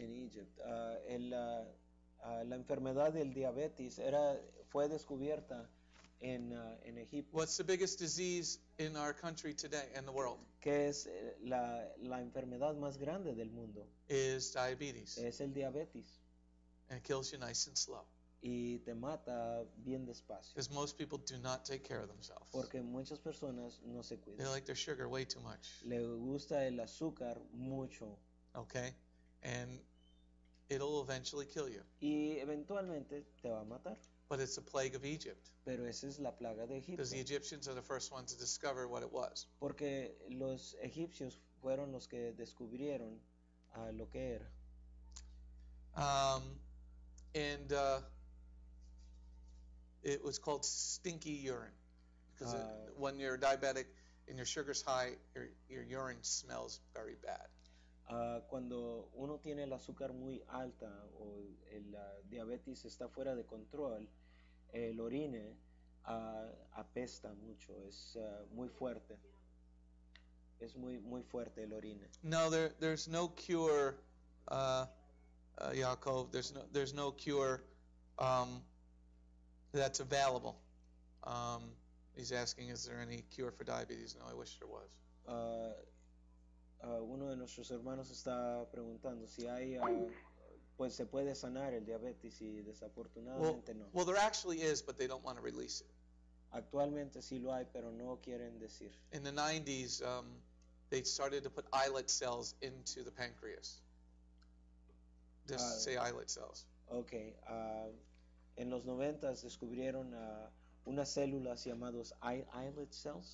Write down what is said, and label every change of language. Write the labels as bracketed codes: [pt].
[en] In Egypt, [es] la enfermedad del diabetes fue descubierta en Egipto. [en] What's the biggest disease in our country today and the world? [es] ¿Qué es la enfermedad más grande del mundo? [en] Is diabetes. [es] Es el diabetes. [en] And it kills you nice and slow. [es] Y te mata bien despacio. [en] Because most people do not take care of themselves. [es] Porque muchas personas no se cuidan. [en] They like their sugar way too much. [es] Le gusta el azúcar mucho. [en] Okay. And it'll eventually kill you. [es] Y eventualmente te va a matar. [en] But it's a plague of Egypt. [es] Pero esa es la plaga de Egipto. [en] Because the Egyptians are the first ones to discover what it was. [es] Porque los egipcios fueron los que descubrieron lo que era. [en] It was called stinky urine. Because when you're diabetic and your sugar's high, your urine smells very bad. [es] Cuando uno tiene el azúcar muy alta o el diabetes está fuera de control, el orine apesta mucho, es muy fuerte. Es muy, muy fuerte el orine. [en] No, there's no cure, Yaakov. There's no cure that's available. He's asking, is there any cure for diabetes? No, I wish there was. [es] Uno de nuestros hermanos está preguntando si hay, pues se puede sanar el diabetes y desafortunadamente [en] well, no. Well, there actually is, but they don't want to release it. [es] Actualmente sí lo hay, pero no quieren decir. [en] In the 90s, they started to put islet cells into the pancreas. Just say islet cells. Okay. [es] En los 90s descubrieron unas células llamadas islet cells.